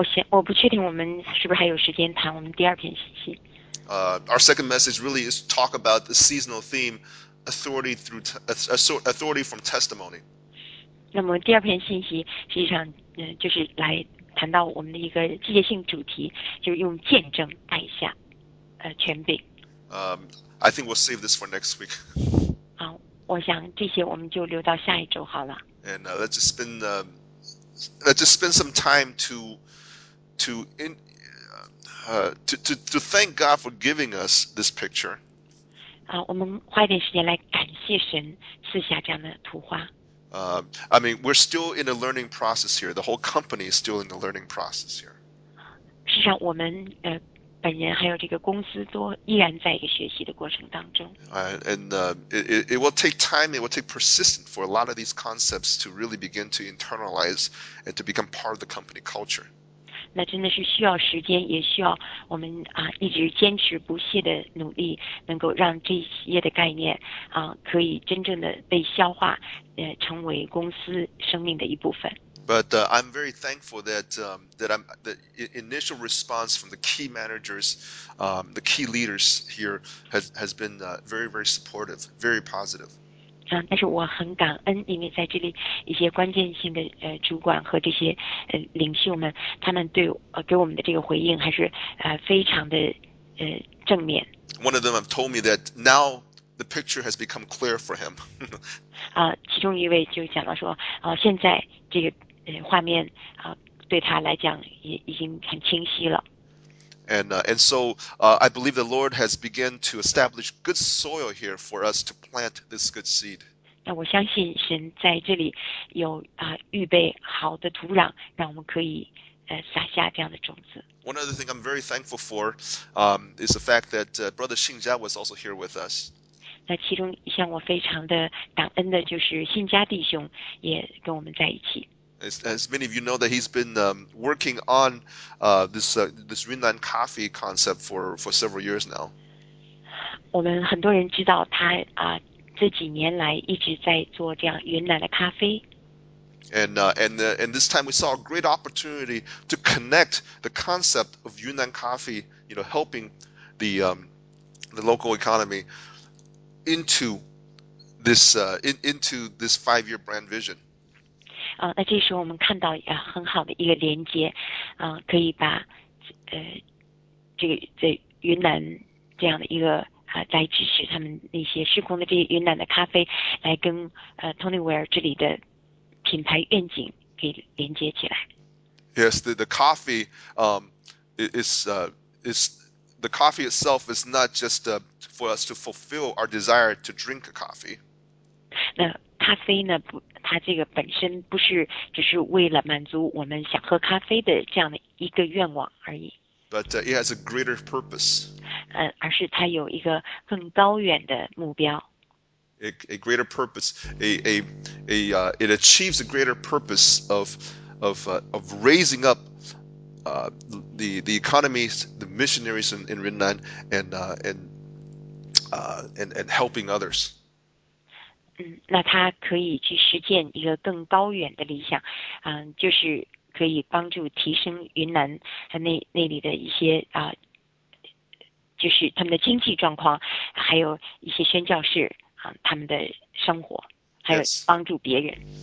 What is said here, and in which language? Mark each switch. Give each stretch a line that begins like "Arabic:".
Chinese: 我不确定我们是不是还有时间谈我们第二篇信息。
English: Our second message really is talk about the seasonal theme, authority from testimony.
Chinese: 那么第二篇信息实际上就是来谈到我们的一个季节性主题，就是用见证带下权柄。
English: I think we'll save this for next week.
Chinese: 好，我想这些我们就留到下一周好了。
English: And let's just spend Let's spend some time to thank God for giving us this picture.
Chinese: 我们花一点时间来感谢神赐下这样的图画。
English: I mean, we're still in a learning process here. The whole company is still in the learning process here.
Chinese: 实际上，我们本人还有这个公司都依然在一个学习的过程当中。
English: And it will take time, it will take persistence for a lot of these concepts to really begin to internalize and to become part of the company culture.
Chinese: 那真的是需要时间，也需要我们啊一直坚持不懈的努力，能够让这些的概念啊可以真正的被消化，成为公司生命的一部分。
English: But I'm very thankful that the initial response from the key managers, the key leaders here has been very, very supportive, very positive.
Chinese: 但是我很感恩，因为在这里一些关键性的主管和这些领袖们，他们对给我们的这个回应还是非常的正面。
English: One of them have told me that now the picture has become clear for him.
Chinese: 其中一位就讲到说，现在这个画面对他来讲也已经很清晰了。
English: And so I believe the Lord has begun to establish good soil here for us to plant this good seed.
Chinese: 那我相信神在这里有预备好的土壤，让我们可以撒下这样的种子。
English: One other thing I'm very thankful for is the fact that Brother Xin Jia was also here with us.
Chinese: 那其中向我非常的感恩的就是新家弟兄也跟我们在一起。
English: As many of you know, that he's been working on this Yun Nan Coffee concept for several years now.
Chinese: 我们很多人知道他这几年来一直在做这样云南的咖啡。
English: And this time we saw a great opportunity to connect the concept of Yun Nan Coffee, you know, helping the local economy into this 5-year brand vision.
Chinese: 那这时候我们看到很好的一个连接，可以把这云南这样的一个来支持他们那些施工的这些云南的咖啡，来跟Tony Ware 这里的品牌愿景给连接起来。
English: Yes, the coffee itself is not just for us to fulfill our desire to drink a coffee.
Chinese: 那咖啡呢？它这个本身不是只是为了满足我们想喝咖啡的这样的一个愿望而已。
English: But it has a greater purpose.
Chinese: 而是它有一个更高远的目标。
English: A greater purpose. It achieves a greater purpose of raising up the economies, the missionaries in Yunnan and helping others.
Chinese: 那他可以去实践一个更高远的理想，就是可以帮助提升云南和那里的一些就是他们的经济状况，还有一些宣教士他们的生活，还有帮助别人。